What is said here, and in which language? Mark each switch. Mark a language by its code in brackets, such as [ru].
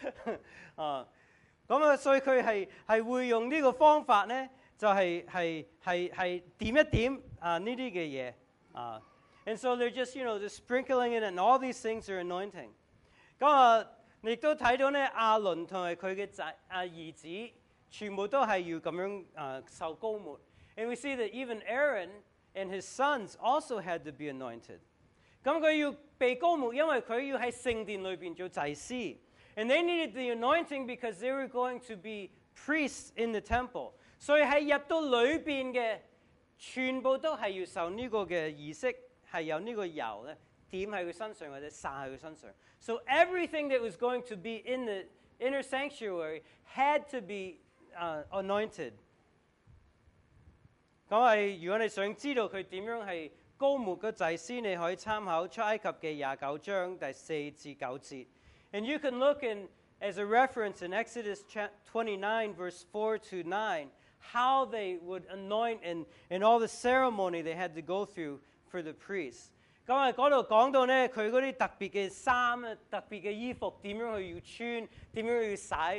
[yue] 咁啊，所以佢係會用呢個方法咧。就是點一點呢啲嘅嘢啊 [en] ，and so they're just you know just sprinkling it and all these things are anointing。 [yue] 咁啊，你都睇到咧，亞倫同埋佢嘅兒子，全部都係要咁樣受膏抹。 [en] And we see that even Aaron and his sons also had to be anointed。 [yue] 咁佢要被膏抹，因為佢要喺聖殿裏邊做祭司。 [en] And they needed the anointing because they were going to be priests in the temple。 [yue] 所以喺入到裏邊嘅，全部都係要受呢個嘅儀式，係有呢個油咧點喺佢身上或者撒喺佢身上。 [en] So everything that was going to be in the inner sanctuary had to be anointed。 [yue] 咁係如果你想知道佢點樣係高抹嘅祭司，你可以參考出埃及記廿九章第四至九節。 [en] And you can look in as a reference in Exodus 29 verse 4 to 9。 How they would anoint and all the ceremony they had to go through for the priests. [yue] 咁啊，嗰度講到咧，佢嗰啲特別嘅衫啊，特別嘅衣服點樣去要穿，點樣要洗。